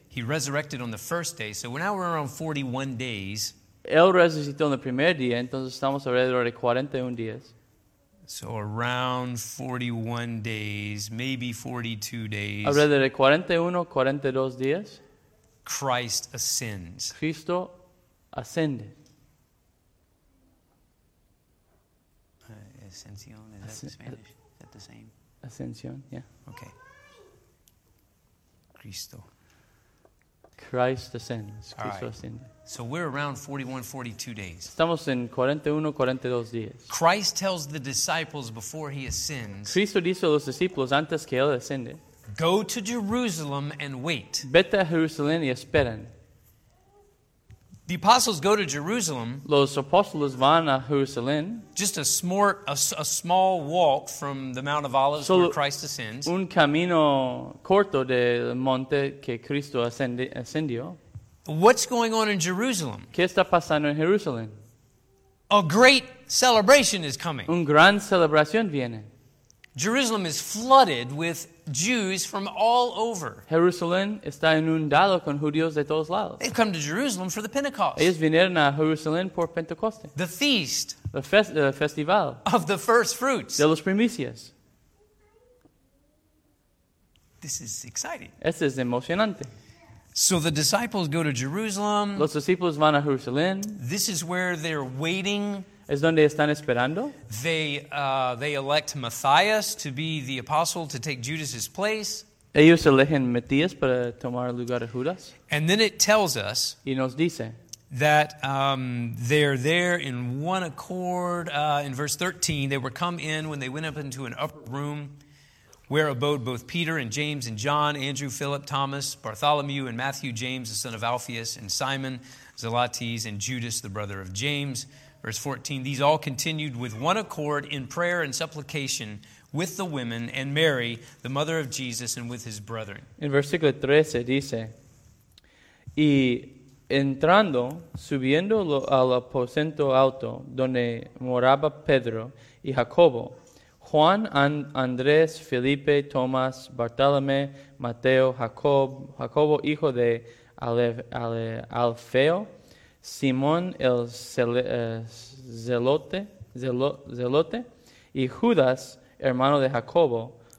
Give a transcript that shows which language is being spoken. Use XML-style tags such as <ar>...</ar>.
<en>he resurrected on the first day, so now we're around 41 days.</en> <es>Él resucitó en el primer día, entonces estamos alrededor de 41 días.</es> <en>So around 41 days, maybe 42 days.</en> <es>Alrededor de 41, 42 días.</es> <en>Christ ascends.</en> <es>Cristo asciende.</es> <en>Ascensión, is that in Spanish? Is that the same? Ascensión, yeah. Okay.</en> <es>Cristo.</es> <en>Christ ascends. Christ ascends. Right. So we're around 41, 42 days.</en> <es>Estamos en 41, 42 días.</es> <en>Christ tells the disciples before he ascends.</en> <es>Cristo dice a los discípulos antes que él asciende.</es> <en>Go to Jerusalem and wait.</en> <es>Vete a Jerusalén y esperen.</es> <en>The apostles go to Jerusalem.</en> <es>Los apóstoles van a Jerusalén.</es> <en>Just a small walk from the Mount of Olives,</en> <es>solo</es> <en>where Christ ascends.</en> <es>Un camino corto del monte que Cristo ascendió.</es> <en>What's going on in Jerusalem?</en> <es>¿Qué está pasando en Jerusalén?</es> <en>A great celebration is coming.</en> <es>Un gran celebración viene.</es> <en>Jerusalem is flooded with Jews from all over.</en> <es>Jerusalén está inundado con judíos de todos lados.</es> <en>They've come to Jerusalem for the Pentecost.</en> <es>Ellos vinieron a Jerusalén por Pentecoste.</es> <en>The feast.</en> <es>El festival.</es> <en>Of the first fruits.</en> <es>De los primicias.</es> <en>This is exciting.</en> <es>Esto es emocionante.</es> <en>So the disciples go to Jerusalem.</en> <es>Los discípulos van a Jerusalén.</es> <en>This is where they're waiting.</en> <es>Es donde están esperando.</es> <en>They elect Matthias to be the apostle to take Judas's place.</en> <es>Ellos eligen Matías para tomar el lugar de Judas.</es> <en>And then it tells us.</en> <es>Y nos dice</es> <en>that they're there in one accord. In verse 13, they were come in when they went up into an upper room, where abode both Peter and James and John, Andrew, Philip, Thomas, Bartholomew, and Matthew, James the son of Alphaeus, and Simon, Zelotes, and Judas the brother of James. Verse 14, these all continued with one accord in prayer and supplication with the women and Mary, the mother of Jesus, and with his brethren.</en> <es>En versículo 13 dice, y entrando, subiendo al aposento alto donde moraba Pedro y Jacobo, Juan, Andrés, Felipe, Tomás, Bartolomé, Mateo, Jacobo, hijo de Alfeo, Simón el Zelote, y Judas, hermano de Jacobo.</es>